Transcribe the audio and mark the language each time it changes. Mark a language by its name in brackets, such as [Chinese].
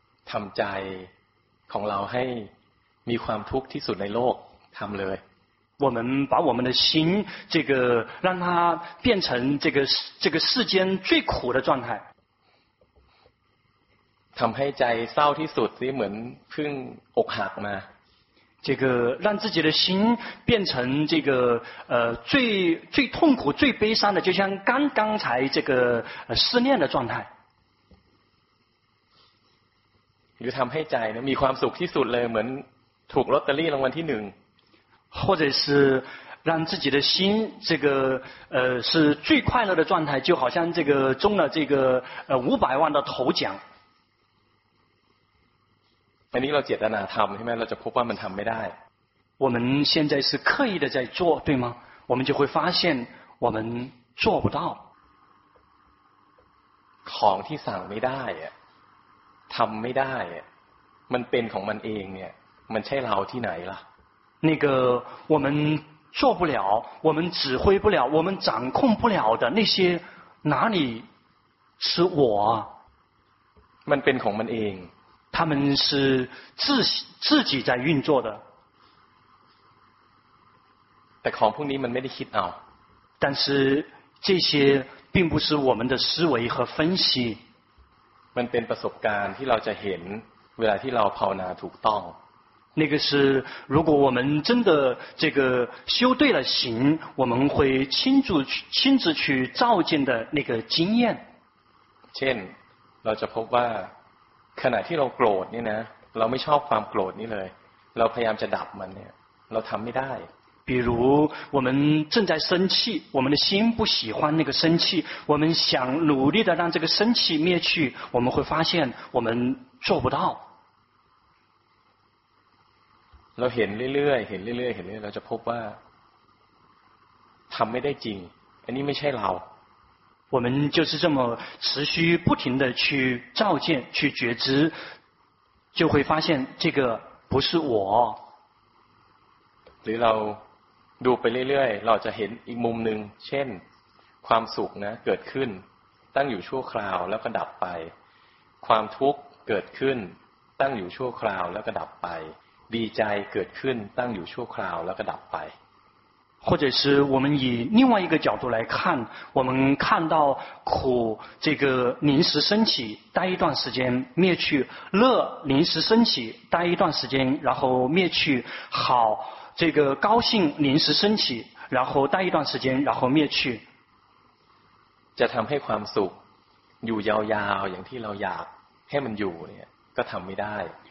[Thai] ทำใจของเราให้มีความทุกข์ที่สุดในโลกทำเลย [Chinese] 我们把我们的心这个让它变成这个世间最苦的状态 [Thai] ทำให้ใจเศร้าที่สุดซิเหมือนเพิ่งอกหักมา [Chinese] 这个让自己的心变成这个最最痛苦最悲伤的，就像刚才这个失恋的状态。 [Thai] หรือทำให้ใจมีความสุขที่สุดเลยเหมือนถูกลอตเตอรี่รางวัลที่หนึ่ง [Chinese] 或者是让自己的心这个是最快乐的状态，就好像这个中了这个500万的头奖。 [Thai] อันนี้เราเจตนาทำใช่ไหมเราจะพบว่ามันทำไม่ได้ [Chinese] 我们现在是刻意的在做对吗我们就会发现我们做不到 [Thai] ของที่สั่งไม่ได้อะทำไม่ได้อะมันเป็นของมันเองเนี่ยมันใช่เราที่ไหนล่ะ [Chinese] 那个我们做不了我们指挥不了我们掌控不了的那些哪里是我 [Thai] มันเป็นของมันเอง [Chinese] 他们是自己在运作的 [Thai] แต่ของพวกนี้มันไม่ได้คิดเอา [Chinese] 但是这些并不是我们的思维和分析 [Thai] มันเป็นประสบการณ์ที่เราจะเห็นเวลาที่เราภาวนาถูกต้อง [Chinese] 那个是如果我们真的这个修对了行我们会亲自去照见的那个经验 [Thai] เช่นเราจะพบว่าขณะที่เราโกรธเนี่ยนะเราไม่ชอบความโกรธนี้เลยเราพยายามจะดับมันเนี่ยเราทำไม่ได้ [Chinese] 比如我们正在生气我们的心不喜欢那个生气我们想努力的让这个生气灭去我们会发现我们做不到 [Thai] เราเห็นเรื่อยๆเห็นเรื่อยๆเห็นเรื่อยๆเราจะพบว่าทำไม่ได้จริงอันนี้ไม่ใช่เรา [Chinese] 我们就是这么持续不停的去照见去觉知就会发现这个不是我 [Thai] หรือเราดูไปเรื่อยๆเราจะเห็นอีกมุมหนึ่งเช่นความสุขนะเกิดขึ้นตั้งอยู่ชั่วคราวแล้วก็ดับไปความทุกข์เกิดขึ้นตั้งอยู่ชั่วคราวแล้วก็ดับไปดีใจเกิดขึ้นตั้งอยู่ชั่วคราวแล้วก็ดับไป [Chinese] 或者是我们以另外一个角度来看，我们看到苦这个临时升起，待一段时间灭去；乐临时升起，待一段时间然后灭去；好这个高兴临时升起，然后待一段时间然后灭去。 [Thai] จะทำให้ความสุขอยู่ยาวๆอย่างที่เราอยากให้มันอยู่เนี่ยก็ทำไม่ได้